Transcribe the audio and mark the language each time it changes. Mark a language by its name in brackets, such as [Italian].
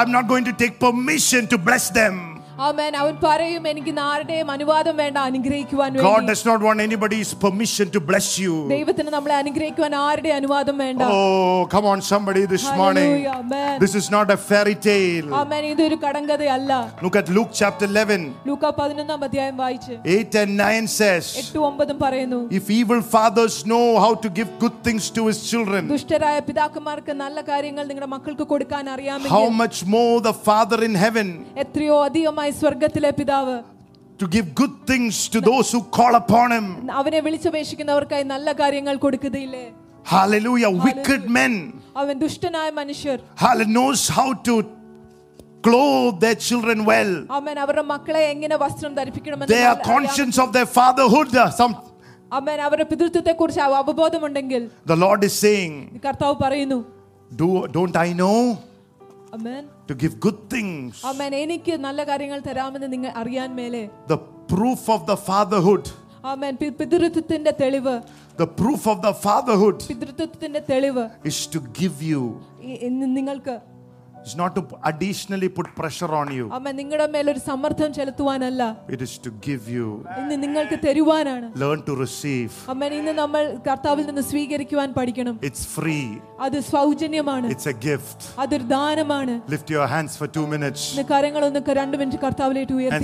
[English] I'm not going to take permission to bless them. Amen. [Malayalam] അവൻ പറയും എനിക്ക് ആരുടെയും അനുവാദം വേണ്ട അനുഗ്രഹിക്കുവാൻ. [English] God does not want anybody's permission to bless you. [Malayalam] ദൈവത്തിന് നമ്മളെ അനുഗ്രഹിക്കുവാൻ ആരുടെയും അനുവാദം വേണ്ട. [English] Oh come on somebody this morning. This is not a fairy tale. [Malayalam] Amen. ഇതൊരു കടങ്കഥയല്ല. [English] Look at Luke chapter 11. [Malayalam] Luka 11ാം അധ്യായം വായിച്ചു. [English] 8 and 9 says. [Malayalam] 8 9 പറയുന്നു. [English] If evil fathers know how to give good things to his children. [Malayalam] ദുഷ്ടരായ പിതാക്കന്മാർക്ക് നല്ല കാര്യങ്ങൾ നിങ്ങളുടെ മക്കൾക്ക് കൊടുക്കാൻ അറിയാമെങ്കിൽ. [English] How much more the father in heaven. [Malayalam] എത്രയോ അധികം സ്വർഗത്തിലെ പിതാവ് [English] to give good things to those who call upon him. [Malayalam] അവനെ വിളിച്ചപേക്ഷിക്കുന്നവർക്കായി നല്ല കാര്യങ്ങൾ കൊടുക്കുകയില്ലേ. [English] Hallelujah. Wicked men. [Malayalam] അവൻ ദുഷ്ടനായ മനുഷ്യർ. [English] Hallelujah. Knows how to clothe their children well. [Malayalam] അമ്മേ അവരുടെ മക്കളെ എങ്ങനെ വസ്ത്രം ധരിപ്പിക്കണമെന്ന് [English] they are conscious of their fatherhood. [Malayalam] അമ്മേ അവരുടെ പിതൃത്വത്തെ കുറിച്ച് അവബോധമുണ്ടെങ്കിൽ [English] the Lord is saying. [Malayalam] കർത്താവ് പറയുന്നു. [English] Don't I know? Amen. To give good things. Amen. [Malayalam] എനിക്ക് നല്ല കാര്യങ്ങൾ തരാമെന്ന് നിങ്ങൾ അറിയാൻ മേലേ. [English] The proof of the fatherhood. [Malayalam] Amen. പിതൃത്വത്തിന്റെ തെളിവ്. [English] The proof of the fatherhood. [Malayalam] പിതൃത്വത്തിന്റെ തെളിവ്. [English] Is to give you. [Malayalam] നിങ്ങൾക്ക്. [English] Is not to additionally put pressure on you. Amen. [Malayalam] നിങ്ങളുടെ മേൽ ഒരു സമ്മർദ്ദം ചെലുത്തുവാനല്ല. [English] It is to give you. [Malayalam] ഇന്ന് നിങ്ങൾക്ക് തരുവാനാണ്. [English] Learn to receive. Amen. [Malayalam] ഇന്ന് നമ്മൾ കർത്താവിൽ നിന്ന് സ്വീകരിക്കുവാൻ പഠിക്കണം. [English] It's free. [Malayalam] അത് സൗജന്യമാണ്. [English] It's a gift. [Malayalam] അതൊരു ദാനമാണ്. [English] Lift your hands for 2 minutes. [Malayalam] നിങ്ങളുടെ കരങ്ങൾ ഒന്ന് 2 മിനിറ്റ് കർത്താവിലേക്ക് ഉയർത്തി.